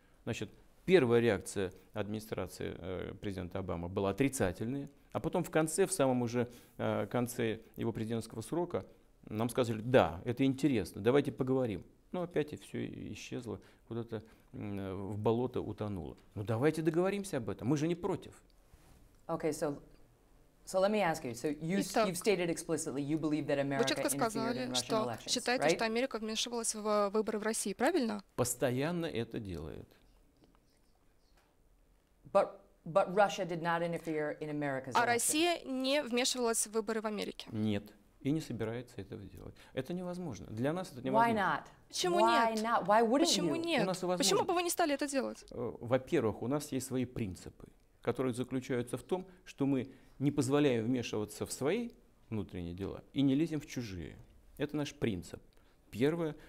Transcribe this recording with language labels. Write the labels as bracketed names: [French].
[Russian] Значит, первая реакция администрации президента Обамы была отрицательной, а потом в конце, в самом уже конце его президентского срока, нам сказали, да, это интересно, давайте поговорим. Но опять все исчезло, куда-то в болото утонуло. Ну давайте договоримся об этом, мы же не против. [English] Okay, so... So let me ask you. So you, [Russian] Итак, [English] you've stated explicitly you believe that America interfered in Russian elections, right? [Russian] Вы четко сказали, что считаете, что Америка вмешивалась в выборы в России, правильно? Постоянно это делает. [English] But Russia did not interfere in America's election. [Russian] А Россия не вмешивалась в выборы в Америке? Нет, и не собирается этого делать. Это невозможно. Для нас это невозможно. [English] Why not? [Russian] Почему нет? [English] Why wouldn't you? [Russian] Почему нет? У нас возможно. Почему бы вы не стали это делать? Во-первых, у нас есть свои принципы, которые заключаются в том, что мы не позволяем вмешиваться в свои внутренние дела и не лезем в чужие. Это наш принцип. Первое.